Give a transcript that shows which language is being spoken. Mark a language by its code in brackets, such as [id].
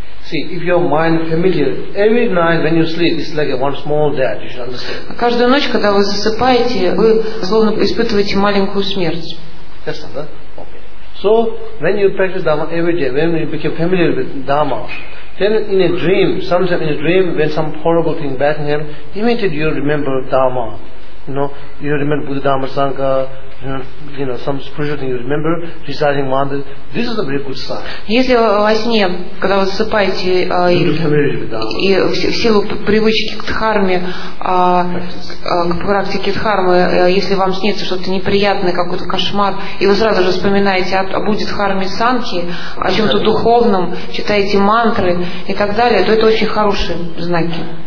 [en] See, if your mind is familiar, every night when you sleep, it's like one small death. You should understand. [ru] Каждую ночь, когда вы засыпаете, вы словно испытываете маленькую смерть. [en] Yes, sir. Okay. So when you practice dharma every day, when you become familiar with dharma, then in a dream, sometimes in a dream, when some horrible thing bad happens, immediately you remember dharma. You know, you remember Buddha, Dhamma, Sangha, you know, some spiritual thing you remember, reciting mantra. This is a very good sign. [ru] Если во сне, когда вы засыпаете, и в силу привычки к дхарме, к практике дхармы, если вам снится что-то неприятное, какой-то кошмар, и вы сразу же вспоминаете о Будде, Дхарме, Сангхе, о чем-то духовном, читаете мантры и так далее, то это очень хорошие знаки.